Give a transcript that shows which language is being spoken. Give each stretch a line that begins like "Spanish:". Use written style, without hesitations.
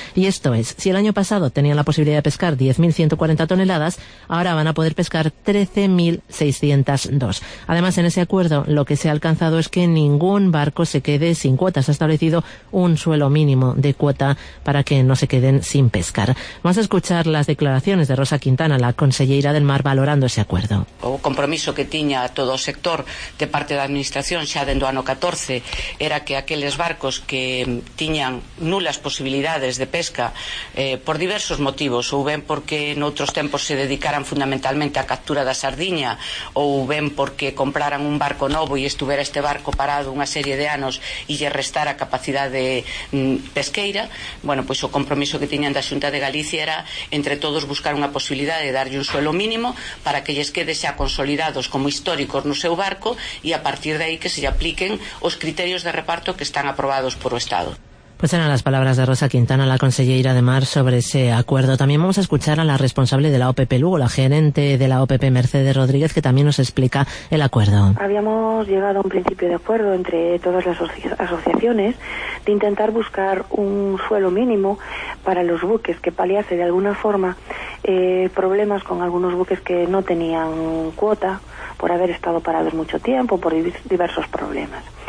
Spanish: Y esto es, si el año pasado tenían la posibilidad de pescar 10.140 toneladas, ahora van a poder pescar 13.602. Además, en ese acuerdo lo que se ha alcanzado es que ningún barco se quede sin cuotas establecidas un suelo mínimo de cuota para que no se queden sin pescar. Vamos a escuchar las declaraciones de Rosa Quintana, la conselleira del Mar, valorando ese acuerdo.
Galician: O compromiso que tiña todo o sector de parte da administración xa dende o ano 14 era que aqueles barcos que tiñan nulas posibilidades de pesca por diversos motivos, ou ben porque noutros tempos se dedicaran fundamentalmente á captura da sardiña, ou ben porque compraran un barco novo e estuvera este barco parado unha serie de anos e lle restara capacidade pesqueira, bueno, pois o compromiso que tiñan da Xunta de Galicia era entre todos buscar unha posibilidade de darlle un suelo mínimo para que lles quede xa consolidados como históricos no seu barco e a partir de aí que se lle apliquen os criterios de reparto que están aprobados por o Estado.
Spanish: Pues eran las palabras de Rosa Quintana, la conselleira de Mar, sobre ese acuerdo. También vamos a escuchar a la responsable de la OPP Lugo, la gerente de la OPP, Mercedes Rodríguez, que también nos explica el acuerdo. Habíamos llegado a un principio de acuerdo entre todas las asociaciones de intentar buscar un suelo mínimo para los buques que paliase de alguna forma problemas con algunos buques que no tenían cuota por haber estado parados mucho tiempo, por diversos problemas.